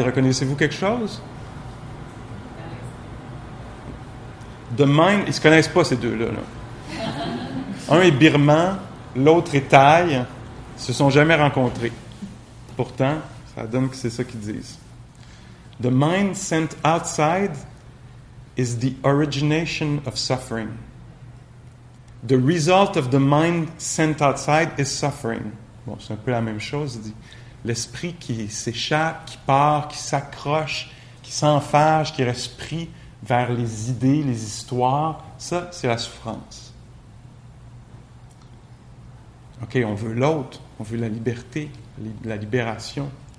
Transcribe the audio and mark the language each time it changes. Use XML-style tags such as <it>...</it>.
<fr>Reconnaissez-vous quelque chose?</fr> <en>The mind,</en> <fr>ils ne se connaissent pas ces deux-là. Là. Un est birman, l'autre est thaï. Ils ne se sont jamais rencontrés. Pourtant, ça donne que c'est ça qu'ils disent.</fr> <en>The mind sent outside is the origination of suffering. The result of the mind sent outside is suffering.</en> <fr>Bon, c'est un peu la même chose, il dit. L'esprit qui s'échappe, qui part, qui s'accroche, qui s'enfarge, qui reste pris vers les idées, les histoires, ça, c'est la souffrance. OK, on veut l'autre, on veut la liberté, la libération.</fr>